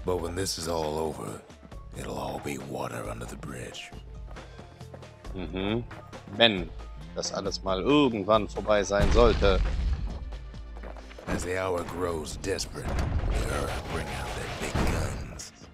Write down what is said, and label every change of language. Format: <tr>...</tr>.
<en>But when this is all over, it'll all be water under the bridge. Mhm.</en> <de>Wenn das alles mal irgendwann vorbei sein sollte.</de> <en>As the hour grows desperate, the earth bring out their big guns.</en>